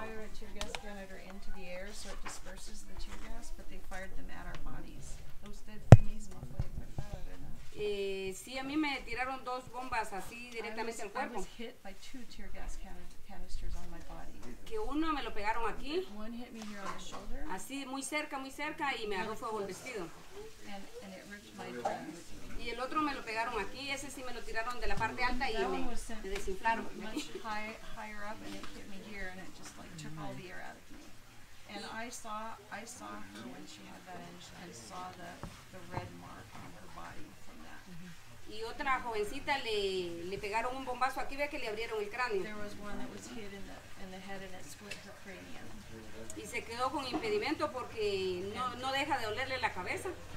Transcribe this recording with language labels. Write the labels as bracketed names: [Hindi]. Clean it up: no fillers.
[English] Fire a tear gas generator into the air so it disperses the tear gas, but they fired them at our bodies. [Spanish] Usted mismo fue preparado, ¿no? Sí, a mí me tiraron dos bombas así directamente al cuerpo. [English] I was hit by two tear gas canisters on my body. [Spanish] Que uno me lo pegaron aquí. [English] One hit me here on the shoulder. [Spanish] Así, muy cerca y me agarró fuego el vestido. [English] And [Spanish] y el otro me lo pegaron aquí, ese sí me lo tiraron de la parte alta y me desinflaron. [English] Higher up and it hit me here and it just like took all the air out of me. And I saw her when she had that and saw the red mark on her body from that. [Spanish] y otra jovencita le pegaron un bombazo aquí, ve que le abrieron el cráneo. [English] There was one that was hit in the head and it split her cranium. [Spanish] Y se quedó con impedimento porque no deja de olerle la cabeza.